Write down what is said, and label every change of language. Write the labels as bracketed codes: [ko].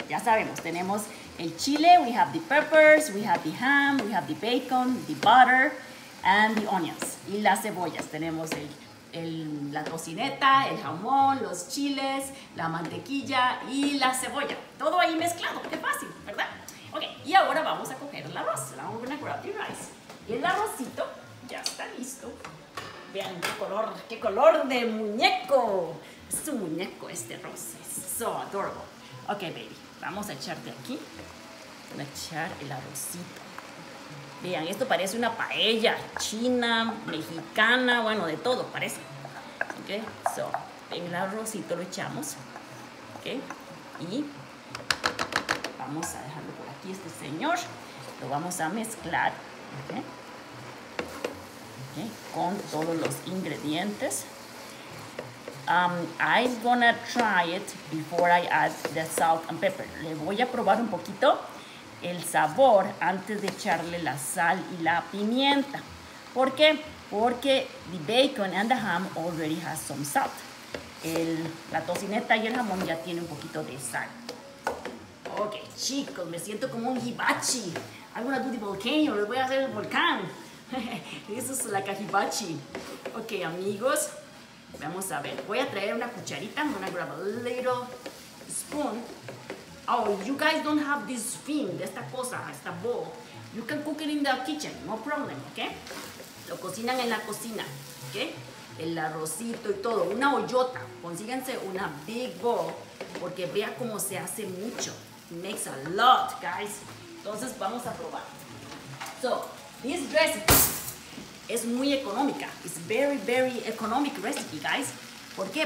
[es] Ya sabemos, tenemos el chile, [en] we have the peppers, we have the ham, we have the bacon, the butter, and the onions. [es] Y las cebollas, tenemos la tocineta, el jamón, los chiles, la mantequilla y la cebolla. Todo ahí mezclado, qué fácil, ¿verdad? Ok, y ahora vamos a coger el arroz. [en] Now we're gonna grab the rice. [es] El arrocito ya está listo. Vean qué color de muñeco. Es un muñeco este arroz, es [en] so adorable. [es] Ok, baby, vamos a echarte aquí. Vamos a echar el arrocito. Vean, esto parece una paella china, mexicana, bueno, de todo parece. Ok, so, en el arrocito lo echamos. Ok, y vamos a dejarlo por aquí, este señor. Lo vamos a mezclar, okay, con todos los ingredientes. [en] I'm gonna try it before I add the salt and pepper. [es] Le voy a probar un poquito el sabor antes de echarle la sal y la pimienta. ¿Por qué? [en] Porque the bacon and the ham already has some salt. [es] La tocineta y el jamón ya tiene un poquito de sal. Ok, chicos, me siento como un hibachi. [en] I'm gonna do the volcano, [es] les voy a hacer el volcán. Eso es [en] like a hibachi. [es] Ok, amigos, vamos a ver. Voy a traer una cucharita. [en] I'm gonna grab a little spoon. Oh, you guys don't have this thing, [es] esta cosa, esta bowl. [en] You can cook it in the kitchen, no problem, ok? [es] Lo cocinan en la cocina, ok? El arrocito y todo, una ollota. Consíguense una [en] big bowl, [es] porque vea cómo se hace mucho. [en] It makes a lot, guys. [es] Entonces, vamos a probar. [en] So, this recipe [es] es muy económica. [en] It's very, very economic recipe, guys. [es] ¿Por qué?